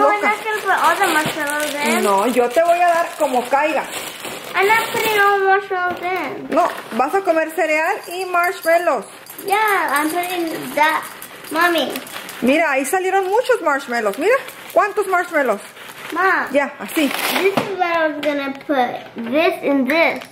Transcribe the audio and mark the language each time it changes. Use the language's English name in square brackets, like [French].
[Spanish] No, ¿verdad que otro marshmallow then? No, yo te voy a dar como caiga. [English] I'm not putting all marshmallows then. [Spanish] No, vas a comer cereal y marshmallows. [English] Yeah, I'm putting that, mommy. [Spanish] Mira, ahí salieron muchos marshmallows. Mira, ¿cuántos marshmallows? Ma. Yeah, así. [English] This is where I was gonna put this and this.